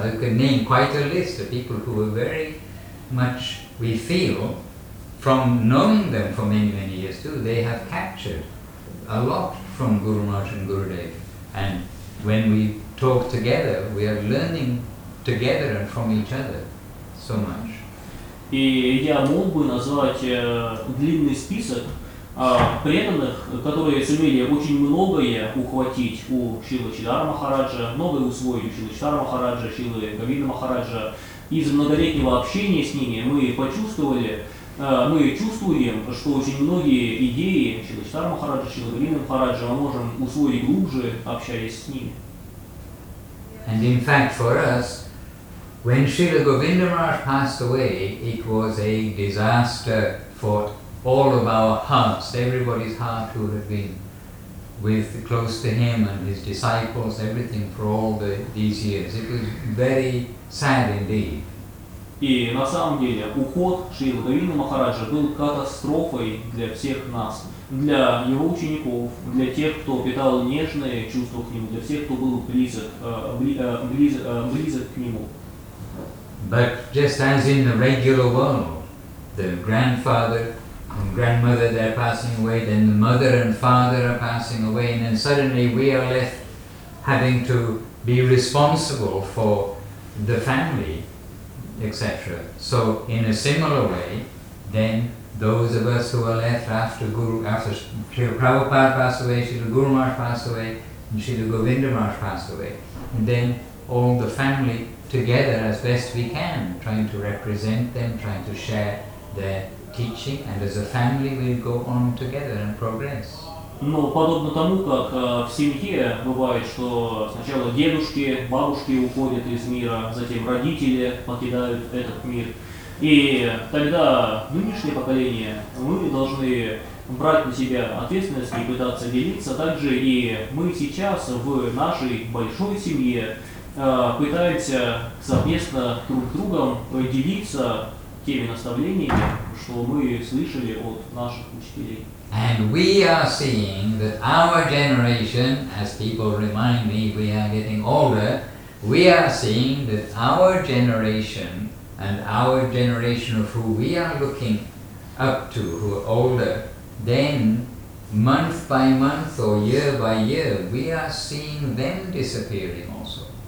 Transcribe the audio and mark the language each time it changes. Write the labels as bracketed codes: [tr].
[en] I could name quite a list of people who were very much, we feel, from knowing them for many, many years too, they have captured a lot from Guru Maharaj and Gurudev. And when we talk together, we are learning together and from each other so much. [ru] И я мог бы назвать длинный список преданных, которые сумели очень многое ухватить у Шрилы Сидхартхи Махараджа, многое усвоить у Шрилы Сидхартхи Махараджа, Шрилы Говинда Махараджа. Из многолетнего общения с ними мы почувствовали, мы чувствуем, что очень многие идеи Шрилы Сидхартхи Махараджа, Шрилы Говинда Махараджа мы можем усвоить глубже, общаясь с ними. [en] And in fact for us, when Shrila Govinda Maharaj passed away, it was a disaster for all of our hearts, everybody's heart who had been with close to him and his disciples, everything for all the, these years. It was very sad indeed. [ru] И на самом деле уход Шрилы Говинды Махараджа был катастрофой для всех нас, для его учеников, для тех, кто питал нежные чувства к нему, для всех, кто был близок к нему. [en] But just as in the regular world, the grandfather and grandmother, they're passing away, then the mother and father are passing away, and then suddenly we are left having to be responsible for the family, etc. So in a similar way, then those of us who are left after Guru, after Srila Prabhupada passed away, Srila Guru Maharaj passed away, and Srila Govinda Maharaj passed away, and then all the family together as best we can, trying to represent them, trying to share their teaching, and as a family we go on together and progress. [ru] Но подобно тому, как в семье бывает, что сначала дедушки, бабушки уходят из мира, затем родители покидают этот мир. И тогда нынешнее поколение, мы должны брать на себя ответственность и пытаться делиться. Также и мы сейчас в нашей большой семье пытаемся совместно друг с другом делиться теми наставлениями, что мы слышали от наших учителей. [en] And we are seeing that our generation, as people remind me, we are getting older, we are seeing that our generation and our generation of who we are looking up to, who are older, then month by month or year by year, we are seeing them disappearing also.